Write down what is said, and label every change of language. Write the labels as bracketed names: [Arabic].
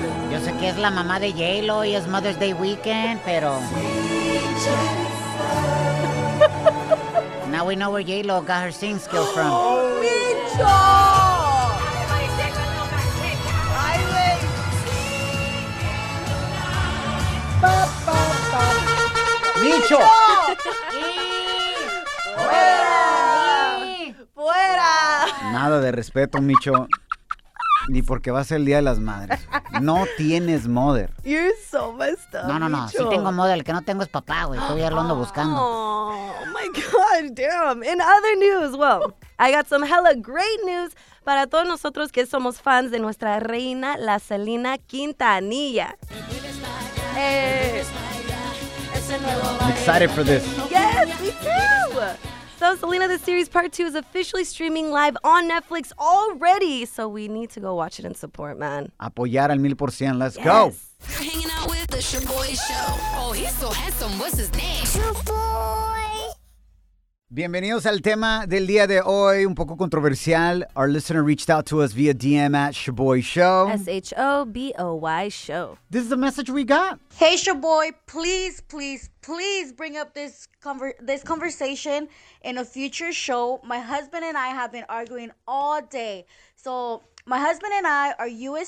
[Spanish] Yo sé que es la mamá de J-Lo y es [English] Mother's Day weekend, [Spanish] pero... [English] Sweet Jennifer. Now we know where J-Lo got her sing skills from. Oh, Micho! Micho! [Spanish] ¡Fuera! ¡Fuera! Nada de respeto, Micho. Ni porque va a ser el Día de las Madres. No tienes mother. [English] You're so messed up, no, no, no. Micho. [Spanish] Sí tengo mother. El que no tengo es papá, güey. Estoy ya lo ando buscando. [English] Oh, my God. Damn. In other news, well, I got some hella great news [Spanish] para todos nosotros que somos fans de nuestra reina, la Selena Quintanilla. [English] I'm excited for this. Yes, me too. So, Selena, the series part 2 is officially streaming live on Netflix already. So, we need to go watch it and support, man. [Spanish] Apoyar al 1000%. Let's [English] yes. go. You're hanging out with the Shaboy Show. Oh, he's so handsome. What's his name? Shaboy. [Spanish] Bienvenidos al tema del día de hoy, un poco controversial. [English] Our listener reached out to us via DM at Shaboy Show. S-H-O-B-O-Y Show. This is the message we got. Hey, Shaboy, please, please, please bring up this conversation in a future show. My husband and I have been arguing all day. So my husband and I are U.S.